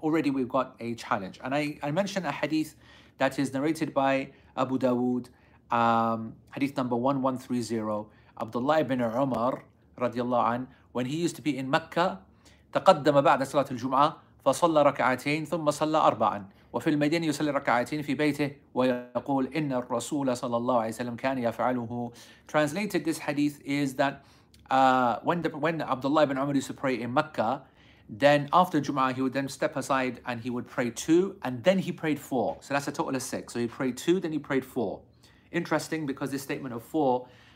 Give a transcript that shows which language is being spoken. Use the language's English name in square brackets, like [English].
[English] Already we've got a challenge. And I mentioned a hadith that is narrated by Abu Dawood, hadith number 1130, Abdullah ibn Umar, radiallahu an, when he used to be in Mecca, [Arabic] تقدم بعد صلاة الجمعة فصلى ركعتين ثم صلى أربعا. وفي المدينة يصلي ركعتين في بيته ويقول إن الرسول صلى الله عليه وسلم كان يفعله. [English] Translated this hadith is that when Abdullah ibn Umar used to pray in Mecca, then after Jum'ah he would then step aside and he would pray two, and then he prayed four. So that's a total of six. So he prayed two, then he prayed four. Interesting, because this statement of four